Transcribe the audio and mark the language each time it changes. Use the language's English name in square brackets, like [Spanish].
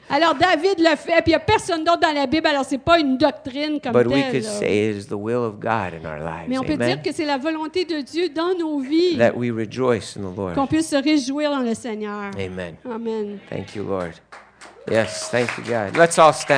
[French] Alors David le fait, puis il n'y a personne d'autre dans la Bible, alors ce n'est pas une doctrine comme [English] But [French] telle. [English] We could say it is the will of God in our lives. [French] Mais on peut [English] Amen. [French] Dire que c'est la volonté de Dieu dans nos vies. [English] That we rejoice in the Lord. [French] Qu'on puisse se réjouir dans le Seigneur. [English] Amen. [French] Amen. [English] Thank you, Lord. Yes, thank you, God. Let's all stand.